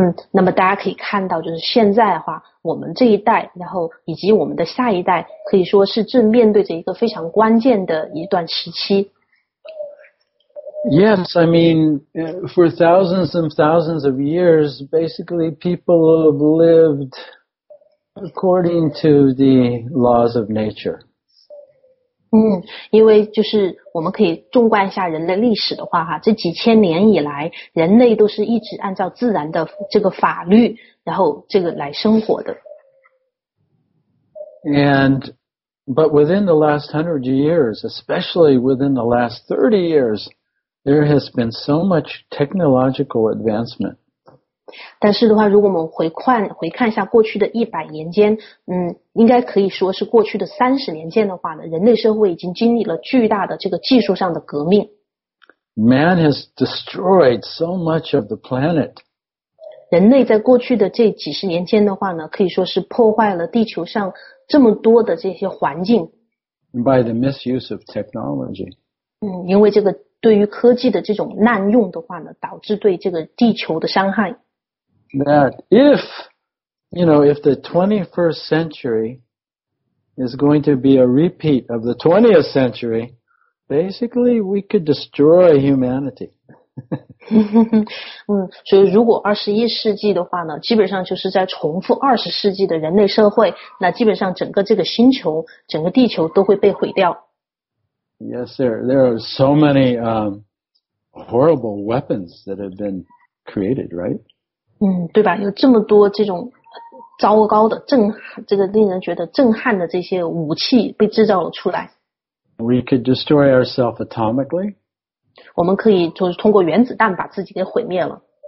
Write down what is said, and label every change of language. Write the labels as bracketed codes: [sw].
[zh] 那么大家可以看到就是现在的话我们这一代然后以及我们的下一代可以说是正面对着一个非常关键的一段时期。 [en] Yes, I mean, for thousands and thousands of years, basically people have lived according to the laws of nature. [zh] 因为就是我们可以纵观一下人类历史的话哈，这几千年以来，人类都是一直按照自然的这个法律，然后这个来生活的。 [en] But within the last 100 years, especially within the last 30 years, there has been so much technological advancement. [zh] 但是的话如果我们回看一下过去的100年间应该可以说是过去的30年间的话呢人类社会已经经历了巨大的这个技术上的革命。 [en] Man has destroyed so much of the planet. [zh] 人类在过去的这几十年间的话呢可以说是破坏了地球上这么多的这些环境。 [en] By the misuse of technology. [zh] 因为这个对于科技的这种滥用的话呢导致对这个地球的伤害。 [en] That if, you know, if the 21st century is going to be a repeat of the 20th century, basically we could destroy humanity. [zh] 所以如果21世纪的话呢，基本上就是在重复20世纪的人类社会，那基本上整个这个星球，整个地球都会被毁掉。 [en] Yes, sir. There are so many horrible weapons that have been created, right? [zh] 对吧，有这么多这种糟糕的震撼，这个令人觉得震撼的这些武器被制造了出来。 [en] We could destroy ourselves atomically. [zh] 我们可以就是通过原子弹把自己给毁灭了。